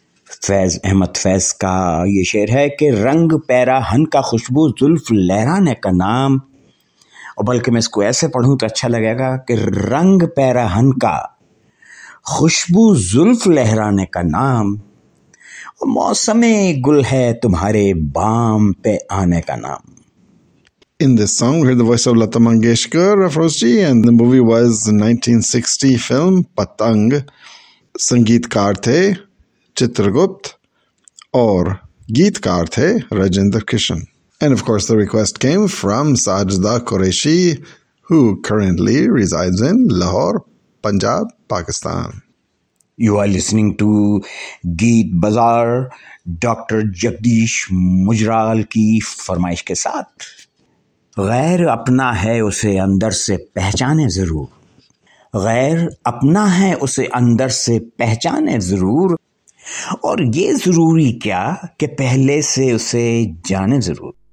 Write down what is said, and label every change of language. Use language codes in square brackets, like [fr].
[hi] फैज अहमद फैज का ये शेर है कि रंग पैराहन का खुशबू, जुल्फ लहराने का नाम। और बल्कि मैं इसको ऐसे पढ़ूं तो अच्छा लगेगा कि रंग पैराहन का खुशबू, जुल्फ लहराने का नाम, मौसम गुल है तुम्हारे बाम पे आने का नाम। [en] In this song, we heard the voice of Lata Mangeshkar, Afrozji, and the movie was the 1960 film Patang. Sangeetkar the Chitragupt, or Geetkar the Rajendra Kishan. And of course, the request came from Sajda Qureshi, who currently resides in Lahore, Punjab, Pakistan. You are listening to Geet Bazaar, Dr. [hi] Jagdish Mujral ki farmaish ke saath. गैर अपना है उसे अंदर से पहचाने ज़रूर, गैर अपना है उसे अंदर से पहचाने ज़रूर, और ये ज़रूरी क्या कि पहले से उसे जाने ज़रूर।